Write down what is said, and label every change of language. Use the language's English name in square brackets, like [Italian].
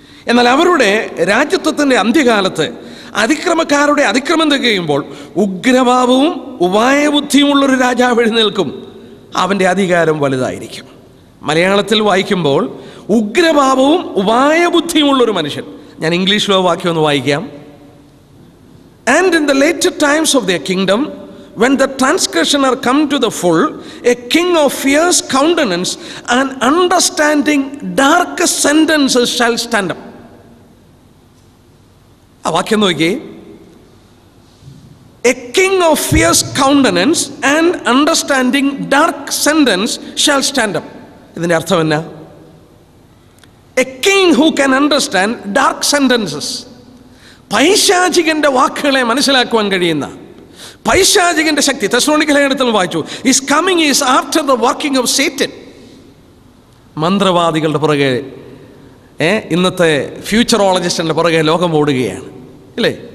[Malayalam] എന്നാൽ അവരുടെ രാജ്യത്വത്തിൻ്റെ അന്ത്യകാലത്ത് അതിക്രമക്കാരുടെ അതിക്രമം തികയുമ്പോൾ ഉഗ്രഭാവവും ഉപായബുദ്ധിയുമുള്ളൊരു രാജാവ് എഴുന്നേൽക്കും, അവൻ്റെ അധികാരം വലുതായിരിക്കും. മലയാളത്തിൽ വായിക്കുമ്പോൾ ഉഗ്രഭാവവും ഉപായബുദ്ധിയുമുള്ളൊരു മനുഷ്യൻ, ഞാൻ ഇംഗ്ലീഷിലോ വാക്യം ഒന്ന് വായിക്കാം. [English] And in the later times of their kingdom, when the transgressioner come to the full, a king of fierce countenance and understanding dark sentences shall stand up. [Malayalam] ആ വാക്യം നോക്കി, [English] a king of fierce countenance and understanding dark sentence shall stand up. [Malayalam] ഇതിന്റെ അർത്ഥം എന്നാ? [English] A king who can understand dark sentences. [Malayalam] പൈശാചികന്റെ വാക്കുകളെ മനസ്സിലാക്കുവാൻ കഴിയുന്ന പൈശാചികന്റെ ശക്തി, തെസ്സലോനിക്കരുടെ വായിച്ചു, [English] Is coming is after the working of Satan. [Malayalam] മന്ത്രവാദികളുടെ പുറകെ, ഇന്നത്തെ ഫ്യൂച്ചറോളജിസ്റ്റിന്റെ പുറകെ ലോകം ഓടുകയാണ് അല്ലേ?